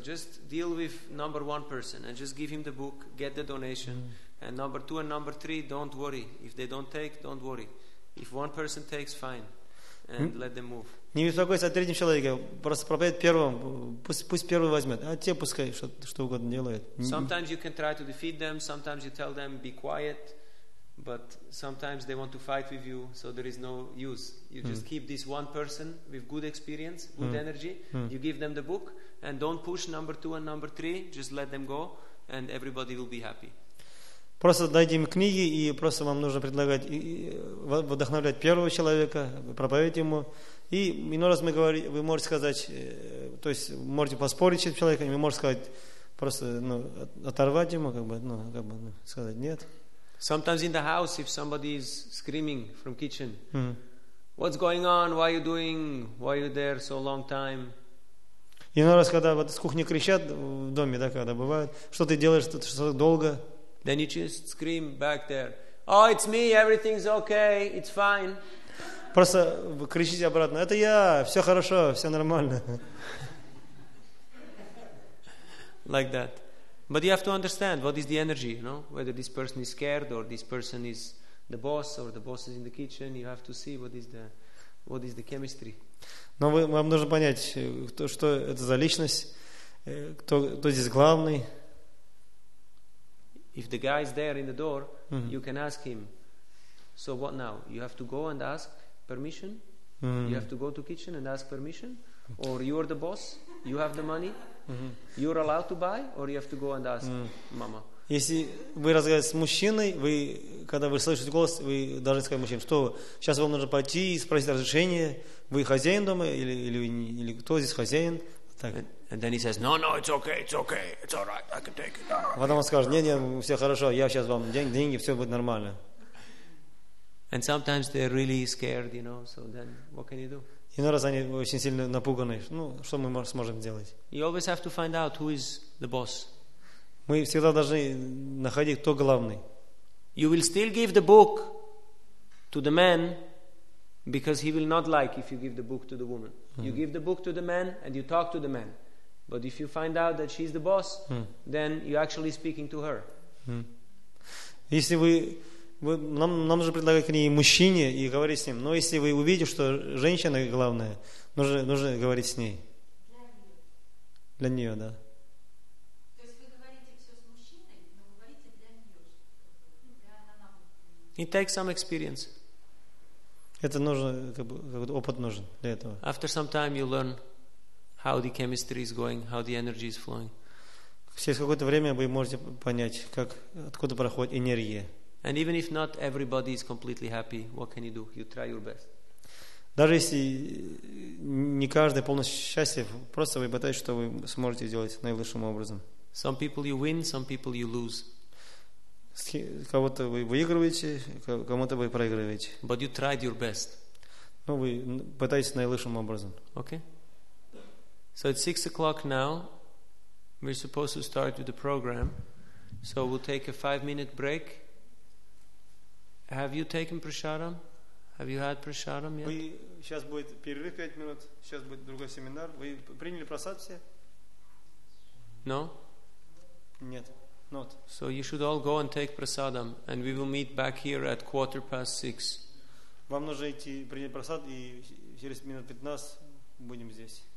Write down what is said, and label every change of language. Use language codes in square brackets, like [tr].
[en] Just deal with number one person and just give him the book, get the donation. And number two and number three, don't worry. If they don't take, don't worry. If one person takes, fine, and let them move. [ru] Не беспокойся о третьем человеке. Просто проповедь первым. Пусть первый возьмет. А те пускай что угодно делают. [en] Sometimes you can try to defeat them. Sometimes you tell them be quiet. But sometimes they want to fight with you, so there is no use. You just keep this one person with good experience, good energy. You give them the book, and don't push number two and number three. Just let them go, and everybody will be happy. [ru] Просто дайте им книги, и просто вам нужно предлагать вдохновлять первого человека, проповедовать ему. И иной раз вы можете сказать, то есть можете поспорить с этим человеком, и можете сказать просто оторвать ему, сказать нет. [en] Sometimes in the house, if somebody is screaming from kitchen, what's going on? Why are you doing? Why are you there so long time? [ru] Иногда, когда вот с кухни кричат в доме, да, когда бывает, что ты делаешь, что долго? [en] Then you just scream back there. Oh, it's me. Everything's okay. It's fine. [ru] Просто кричите обратно. Это я. Все хорошо. Все нормально. [en] like that. But you have to understand what is the energy, you know, whether this person is scared or this person is the boss or the boss is in the kitchen. You have to see what is the chemistry. [ru] Но вам нужно понять, что это за личность, кто здесь главный. [en] If the guy is there in the door, mm-hmm. you can ask him. So what now? You have to go and ask permission. Mm-hmm. You have to go to kitchen and ask permission, or you are the boss. You have the money. Mm-hmm. You're allowed to buy, or you have to go and ask mama. [ru] Если вы разговариваете с мужчиной, вы когда вы слышите голос, вы должны сказать мужчине, что сейчас вам нужно пойти и спросить разрешение. Вы хозяин дома или кто здесь хозяин? Так. [en] And then he says, no, it's okay, it's all right, I can take it. [ru] Потом он скажет, не, все хорошо, я сейчас вам деньги, все будет нормально. [en] And sometimes they're really scared, you know. So then, what can you do? [ru] Иной раз они очень сильно напуганы. Ну, что мы сможем сделать? [en] You always have to find out who is the boss. [ru] Мы всегда должны находить, кто главный. [en] You will still give the book to the man because he will not like if you give the book to the woman. Mm-hmm. You give the book to the man and you talk to the man. But if you find out that she's the boss, then you're actually speaking to her. [ru] Если вы нам нужно предлагать к ней мужчине и говорить с ним. Но если вы увидите, что женщина главная, нужно говорить с ней. Для нее, да. [en] It takes some experience. [ru] Это нужно, как бы опыт нужен для этого. [en] After some time you learn how the chemistry is going, how the energy is flowing. [ru] Через какое-то время вы можете понять, как откуда проходит энергия. [en] And even if not everybody is completely happy, what can you do? You try your best. [ru] Даже если не каждый полностью счастлив, просто вы пытаетесь, что вы сможете сделать наилучшим образом. [en] Some people you win, some people you lose. [ru] Кого-то вы выигрываете, кому-то вы проигрываете. [en] But you tried your best. [ru] Ну, вы пытаетесь наилучшим образом. [en] Okay. So it's 6:00 now. We're supposed to start with the program. So we'll take a 5-minute break. Have you taken prasadam? Have you had prasadam yet? [ru] Сейчас будет перерыв 5 минут. Сейчас будет другой семинар. Вы приняли прасад все? [en] No. [ru] Нет. Not. [en] So you should all go and take prasadam, and we will meet back here at 6:15. [ru] Вам нужно идти принять прасад, и через минут 15 будем здесь.